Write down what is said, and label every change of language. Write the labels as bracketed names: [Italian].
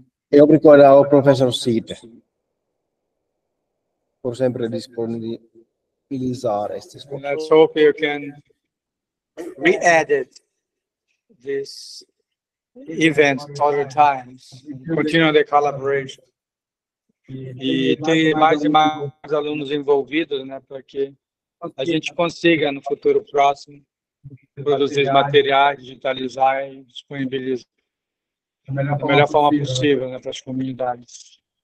[Portuguese] E obrigado ao professor Cite por sempre disponibilizar estes. [English] Let's hope you can re-edit this event other times, continue the collaboration. [Portuguese] E tem mais e mais alunos envolvidos, né, para que a gente consiga no futuro próximo produzir materiais, digitalizar e disponibilizar. Da melhor forma possível, né, para as comunidades.